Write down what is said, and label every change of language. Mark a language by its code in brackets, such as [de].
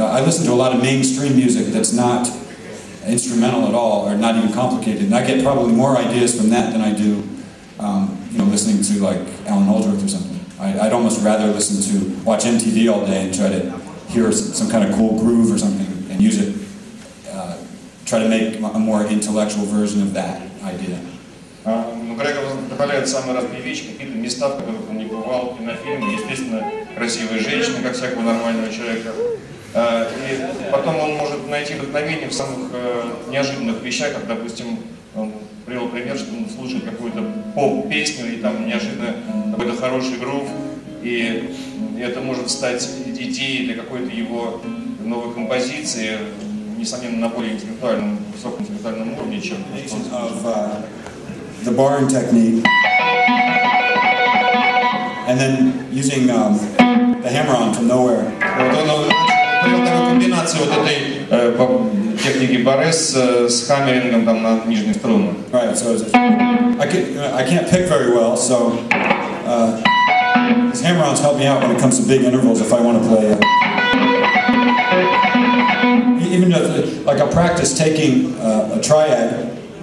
[en] I listen to a lot of mainstream music that's not instrumental at all, or not even complicated, and I get probably more ideas from that than I do, you know, listening to like Alan Holdsworth or something. I'd almost rather listen to watch MTV all day and try to hear some kind of cool groove or something and use it, try to make a more intellectual version of that idea. [ru] Ну, Грегор добавляет самые разные вещи, какие-то места, в которых он не бывал, кинофильмы, естественно, красивые женщины, как всякого нормального человека. И потом он может найти вдохновение в самых неожиданных вещах, как, допустим, он привел пример, что он слушает какую-то поп-песню, и там неожиданно какой-то хороший грув, и это может стать идеей для какой-то его новой композиции, несомненно, на более интеллектуальном, высоком интеллектуальном уровне, чем он слушает. [en] The barring technique, and then using the hammer-on from nowhere. [ru] Вот он привел такую комбинацию вот этой техники барес с хаммерингом там на нижней струне. [en] Right, so I can't pick very well, so these hammer-ons help me out when it comes to big intervals if I want to play. Even if, like, I practice taking a triad.